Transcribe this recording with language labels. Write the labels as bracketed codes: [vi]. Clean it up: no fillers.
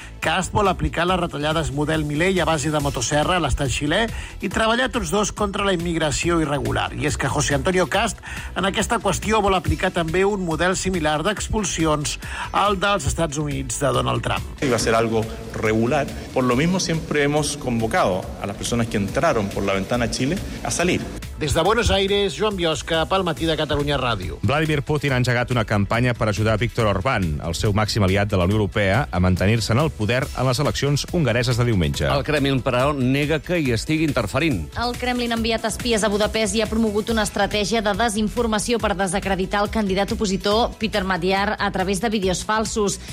[ca] Kast vol aplicar les retallades model Milei a base de motosserra a l'estat xilè i treballar tots dos contra la immigració irregular. I és que José Antonio Kast en aquesta qüestió vol aplicar també un model similar d'expulsions al dels Estats Units de Donald Trump. [es] Iba a ser algo regular. Por lo mismo siempre hemos convocado a las personas que entraron por la ventana a Chile a salir. [ca] Des de Buenos Aires, Joan Biosca, pel matí de Catalunya Ràdio. Vladimir Putin ha engegat una campanya per ajudar Víctor Orbán, el seu màxim aliat de la Unió Europea, a mantenir-se en el poder en les eleccions hongareses de diumenge. El Kremlin, però, nega que hi estigui interferint. El Kremlin ha enviat espies a Budapest i ha promogut una estratègia de desinformació per desacreditar el candidat opositor, Peter Madiar, a través de vídeos falsos.